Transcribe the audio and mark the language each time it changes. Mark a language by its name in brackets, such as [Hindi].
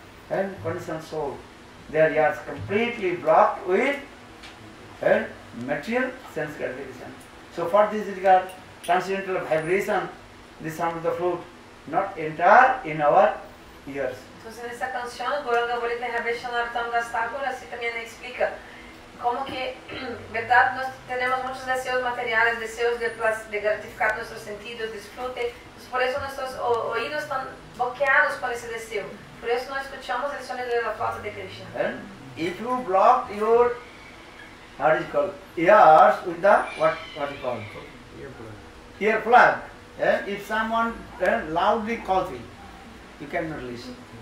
[English] And conditioned soul, their yards completely blocked with material sense gratification. So for this regard, transcendental vibration, the sound of the flute, not enter in our ears. [Spanish] Entonces en esta canción, Gauranga Bolita Rabeshana Artam Gastakura, así también explica cómo que, verdad, nos tenemos muchos deseos materiales, deseos de gratificar nuestros sentidos, disfrute, pues por eso nuestros oídos están bloqueados con ese deseo, por eso no escuchamos el sonido de la flauta de Krishna. [English] And if you block your, how is it called, ears with the, what is it called? Ear plug. Yeah? If someone loudly calls you, you cannot listen.